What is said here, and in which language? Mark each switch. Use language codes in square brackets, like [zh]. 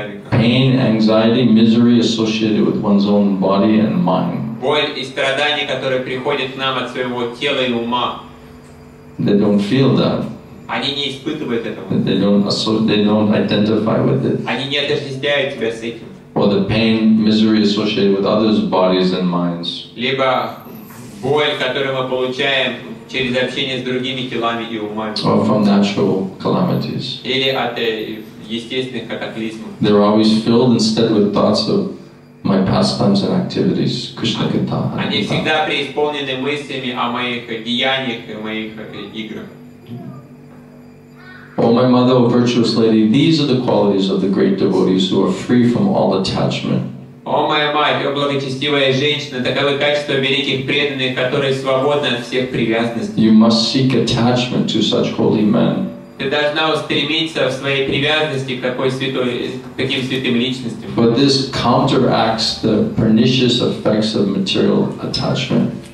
[en] Pain, anxiety, misery associated with one's own body and mind. [ru] Боль и страдания, которые приходят к нам от своего тела и ума. [en] They don't feel that. [ru] Они не испытывают этого. [en] They don't identify with it. [ru] Они не отождествляют себя с этим. [en] Or the pain, misery associated with others' bodies and minds. [ru] Либо боль, которую мы получаем через общение с другими телами и умами. [en] Or from natural calamities. [ru] Или от естественных катаклизмов. [en] They're always filled instead with thoughts of my pastimes and activities, krishna-katha. [ru] Они всегда преисполнены мыслями о моих деяниях и моих играх. [en] Oh, my mother, oh, virtuous lady, these are the qualities of the great devotees who are free from all attachment. [ru] О, моя мать, о, благочестивая женщина, таковы качества великих преданных, которые свободны от всех привязанностей. [en] You must seek attachment to such holy men. [ru] Ты должна устремиться в своей привязанности к такой святой, к таким святым личностям. [en] But this counteracts the pernicious effects of material attachment.